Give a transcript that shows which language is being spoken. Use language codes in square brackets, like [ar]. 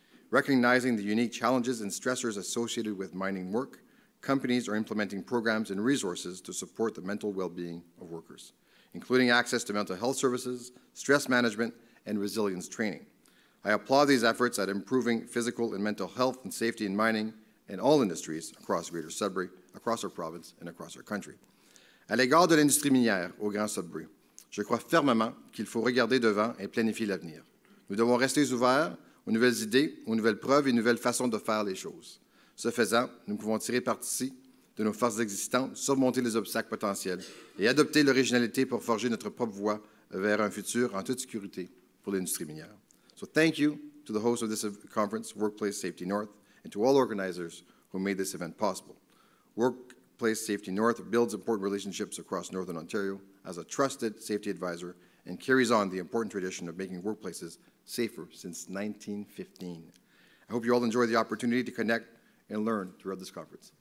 [en] Recognizing the unique challenges and stressors associated with mining work, companies are implementing programs and resources to support the mental well-being of workers, including access to mental health services, stress management, and resilience training. I applaud these efforts at improving physical and mental health and safety in mining and all industries across Greater Sudbury, across our province, and across our country. [fr] À l'égard de l'industrie minière au Grand Sudbury, je crois fermement qu'il faut regarder devant et planifier l'avenir. Nous devons rester ouverts aux nouvelles idées, aux nouvelles preuves et aux nouvelles façons de faire les choses. Ce faisant, nous pouvons tirer parti de nos forces existantes, surmonter les obstacles potentiels et adopter l'originalité pour forger notre propre voie vers un futur en toute sécurité pour l'industrie minière. [en] So thank you to the host of this conference, Workplace Safety North, and to all organizers who made this event possible. Workplace Safety North builds important relationships across Northern Ontario as a trusted safety advisor and carries on the important tradition of making workplaces safer since 1915. I hope you all enjoy the opportunity to connect and learn throughout this conference.